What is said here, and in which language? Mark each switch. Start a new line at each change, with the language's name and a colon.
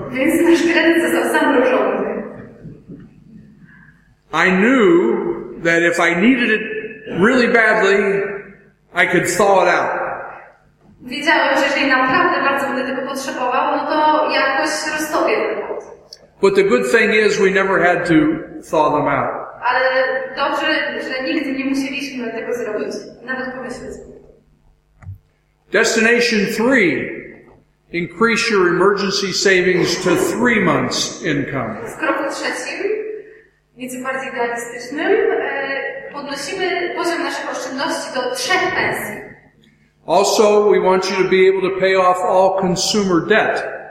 Polish: Więc nasz kredyt został zamrożony.
English: I knew that if I needed it really badly, I could thaw it out.
Polish: Wiedziałem, że jeżeli naprawdę bardzo bym tego potrzebował, no to jakoś roztopię ten lód.
English: But the good thing is we never had to thaw them out.
Polish: Ale dobrze, że nigdy nie musieliśmy tego zrobić, nawet pomyśleć.
English: Destination 3. Increase your emergency savings to 3 months' income.
Polish: W kroku trzecim, nieco bardziej idealistycznym, podnosimy poziom naszych oszczędności do 3 pensji.
English: Also, we want you to be able to pay off all consumer debt.